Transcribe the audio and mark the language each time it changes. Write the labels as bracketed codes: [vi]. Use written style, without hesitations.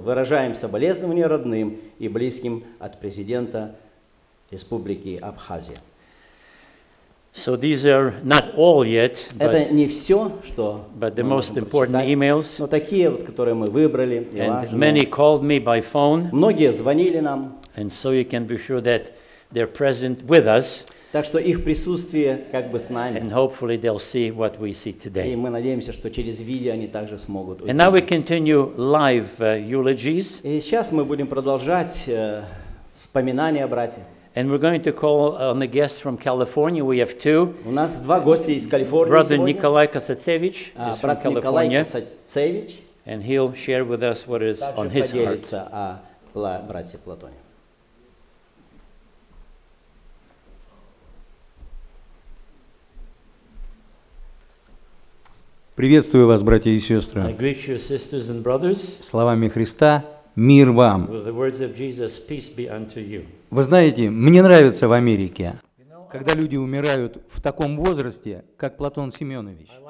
[ru] Выражаем соболезнования родным и близким от президента Республики Абхазия. [en] So these are not all yet, [ru] это не все, что [en] but the most important emails. [ru] Но такие вот, которые мы выбрали, и [en] and many called me by phone. [ru] Многие звонили нам. [en] And so you can be sure that they're present with us. [ru] Так что их присутствие как бы с нами. [en] And hopefully they'll see what we see today. [ru] И мы надеемся, что через видео они также смогут увидеть. [en] And now we continue live eulogies. [ru] И сейчас мы будем продолжать вспоминания братьев. [en] And we're going to call on a guest from California. We have two. [ru] У нас два гостя из Калифорнии. [en] Brother Николай Косацевич is from California. [ru] Николай Косацевич. [en] And he'll share with us what is on his heart. [ru] Также поделится о братьях Платоне. Приветствую вас, братья и сестры. [en] I greet you, sisters and brothers. [ru] Словами Христа, мир вам. [en] With the words of Jesus, peace be unto you. [ru] Вы знаете, мне нравится в Америке, когда люди умирают в таком возрасте, как Платон Семенович.